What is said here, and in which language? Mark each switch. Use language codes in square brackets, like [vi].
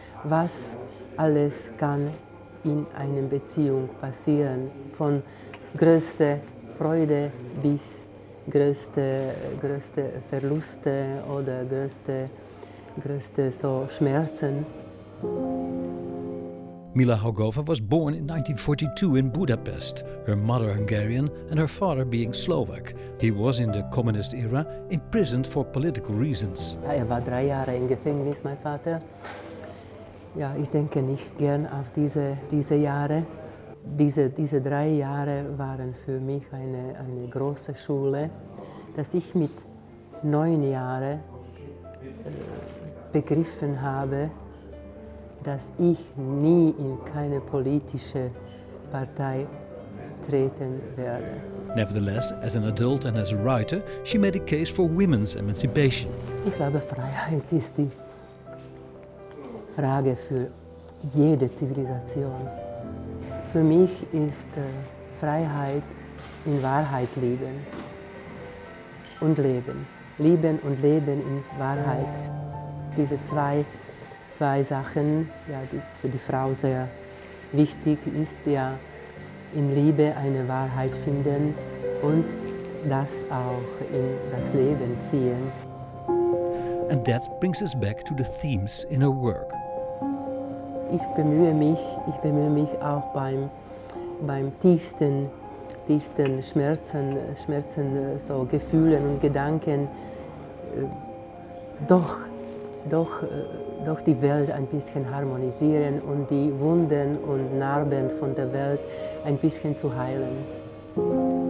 [de] Was alles kann in einer Beziehung passieren? Von größter Freude bis größte Verluste oder größte so Schmerzen. [en] Mila Haugova was born in 1942 in Budapest, her mother Hungarian and her father being Slovak. He was in the communist era imprisoned for political reasons. [de] Er war 3 Jahre im Gefängnis, mein Vater. Ja, ich denke nicht gern auf diese Jahre. Diese 3 Jahre waren für mich eine große Schule, dass ich mit 9 Jahren begriffen habe, dass ich nie in keine politische Partei vertreten werden. [en] Nevertheless, as an adult and as a writer, she made a case for women's emancipation. [de] Ich glaube, Freiheit ist die Frage für jede Zivilisation. Für mich ist Freiheit in Wahrheit leben und leben. Lieben und leben in Wahrheit. Diese zwei Sachen, ja, die für die Frau sehr wichtig ist, ja, in Liebe eine Wahrheit finden und das auch in das Leben ziehen. [en] And that brings us back to the themes in her work. [de] Ich bemühe mich auch beim tiefsten Schmerzen, so Gefühlen und Gedanken, doch die Welt ein bisschen harmonisieren und die Wunden und Narben von der Welt ein bisschen zu heilen.